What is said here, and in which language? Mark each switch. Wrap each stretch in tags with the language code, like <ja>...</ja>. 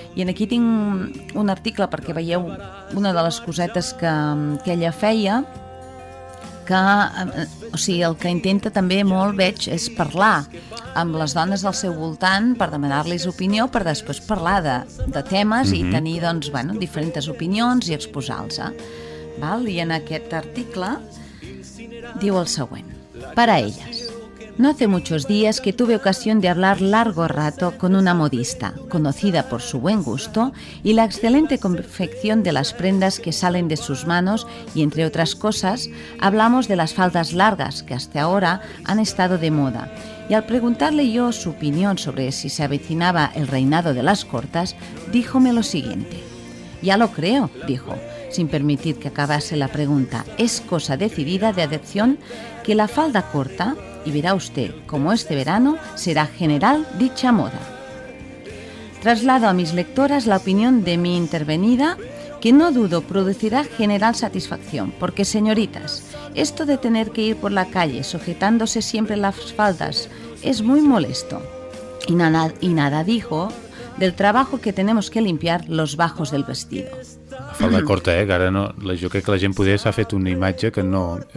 <ca>I aquí tinc un article perquè veieu una de les cosetes que ella feia, que, o sigui, el que intenta també molt, veig, és parlar amb les dones del seu voltant per demanar-los opinió, per després parlar de temes i tenir, doncs, bueno, diferents opinions i exposar-los. Val? I en aquest article diu el següent.</ca> <es>Para ellas. No hace muchos días que tuve ocasión de hablar largo rato con una modista, conocida por su buen gusto y la excelente confección de las prendas que salen de sus manos y, entre otras cosas, hablamos de las faldas largas que hasta ahora han estado de moda. Y al preguntarle yo su opinión sobre si se avecinaba el reinado de las cortas, díjome lo siguiente. «Ya lo creo», dijo, sin permitir que acabase la pregunta. «Es cosa decidida de adhesión que la falda corta, y verá usted cómo este verano será general dicha moda». Traslado a mis lectoras la opinión de mi intervenida, que no dudo producirá general satisfacción, porque, señoritas, esto de tener que ir por la calle sujetándose siempre las faldas es muy molesto. Y nada dijo del trabajo que tenemos que limpiar los bajos del vestido. La falda corta,</es> <ca>que ara no, jo crec que la gent poder s'ha fet una imatge que no...</ca>